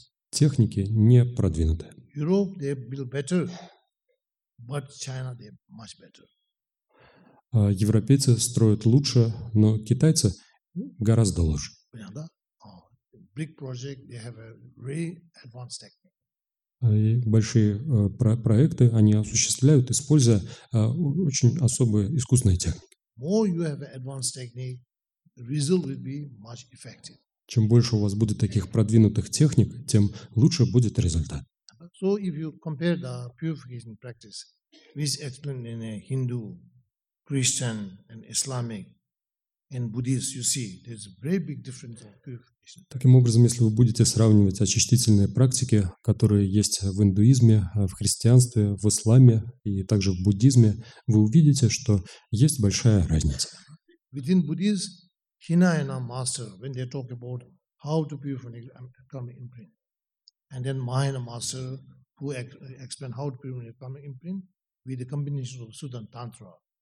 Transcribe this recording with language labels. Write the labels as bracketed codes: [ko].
[ru] Техники не продвинуты. Европейцы строят лучше, но китайцы гораздо лучше. [en] Big project, they have a very advanced technique. [ru] Большие проекты они осуществляют, используя очень особые искусные техники. [en] More you have an advanced technique, the result will be much effective. [ru] Чем больше у вас будет таких продвинутых техник, тем лучше будет результат. [en] So if you compare the purification practice, which is explained in a Hindu, Christian, and Islamic. And Buddhists, you see, there's a very big difference in purification. [ru] Таким образом, если вы будете сравнивать очистительные практики, которые есть в индуизме, в христианстве, в исламе и также в буддизме, вы увидите, что есть большая разница. [en] Within Buddhism, Hinayana master, when they talk about how to purify the karmic imprint, and then Mahayana master, who explain how to purify the karmic imprint with the combination of Sutta and Tantra.